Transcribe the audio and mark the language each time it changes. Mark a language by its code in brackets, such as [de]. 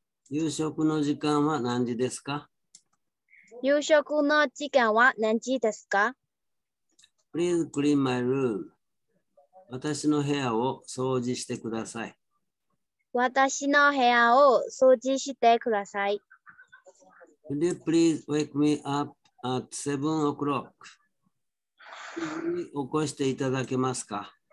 [ja] 夕食の時間は何時ですか？夕食の時間は何時ですか？ [en] Please clean my room. [ja] 私の部屋を掃除してください。私の部屋を掃除してください。 [en] Could you please wake me up at 7 o'clock? [ja] 起こしていただけますか？